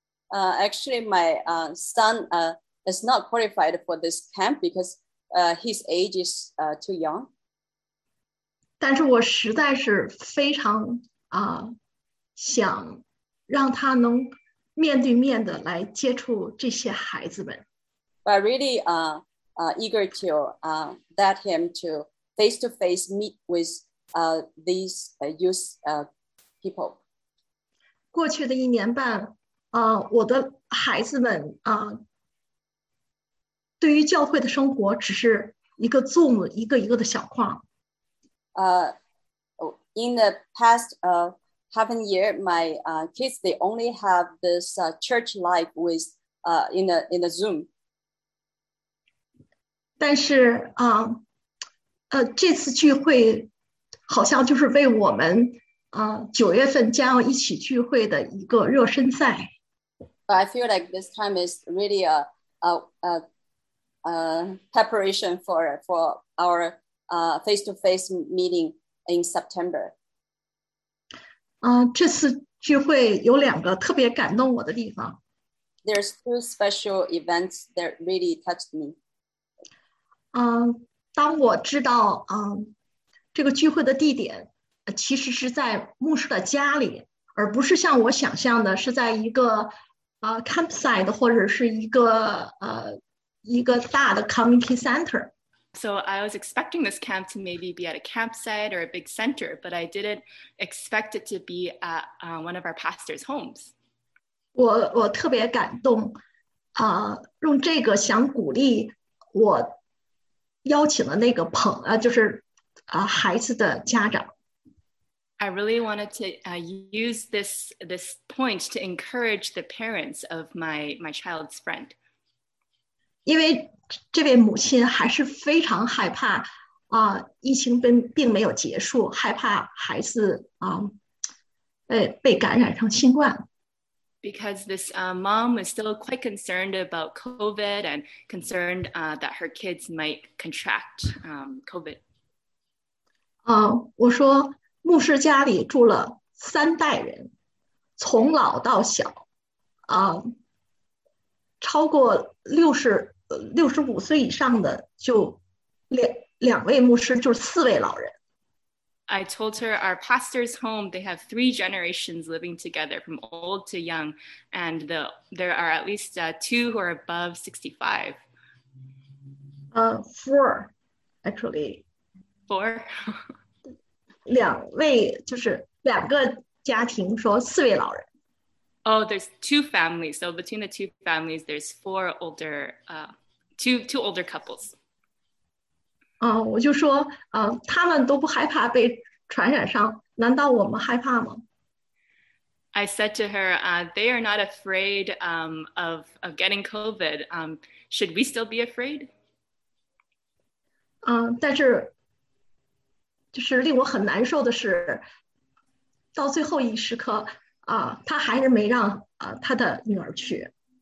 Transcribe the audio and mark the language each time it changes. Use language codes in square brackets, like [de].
[en] Actually, my son is not qualified for this camp because his age is too young. [zh] 但是我实在是非常 想让他能 面对面的来接触这些孩子们。 [en] But I really eager to let him to face-to-face meet with these youth people. [zh] 过去的一年半, 我的孩子们, 对于教会的生活只是一个Zoom, 一个一个的小框。 [en] In the past half a year, my kids, they only have this church life with in the Zoom. [zh] 但是 这次聚会好像就是为我们 9月份将要一起聚会的一个热身赛。 [en] But I feel like this time is really a preparation for our face-to-face meeting in September. [zh] 这次聚会有两个特别感动我的地方。 [en] There's two special events that really touched me. [zh] 当我知道 这个聚会的地点其实是在牧师的家里，而不是像我想象的是在一个 campsite 或者是一个 一个大的 community center. [en] So I was expecting this camp to maybe be at a campsite or a big center, but I didn't expect it to be at one of our pastors' homes. [zh] 我特别感动 用这个想鼓励我邀请的那个朋友，就是孩子的家长。 [en] I really wanted to use this point to encourage the parents of my child's friend. [zh] 因为这位母亲还是非常害怕 疫情并没有结束, 害怕孩子, 被感染上新冠。 [en] Because this mom was still quite concerned about COVID and concerned that her kids might contract COVID. [zh] 我说, 牧师家里住了三代人, 从老到小, 超过65岁以上的就两位牧师就是四位老人。 [en] I told her our pastor's home, they have three generations living together from old to young, and there are at least two who are above 65. Four, actually. Four? [zh] 两位就是两个家庭说四位老人。 [en] Oh, there's two families. So between the two families, there's four older, two older couples. [zh] 我就说, 他们都不害怕被传染上,难道我们害怕吗? [en] I said to her, they are not afraid of getting COVID. Should we still be afraid? [zh] 但是,就是令我很难受的是, 到最后一时刻, 他还是没让, 他的女儿去。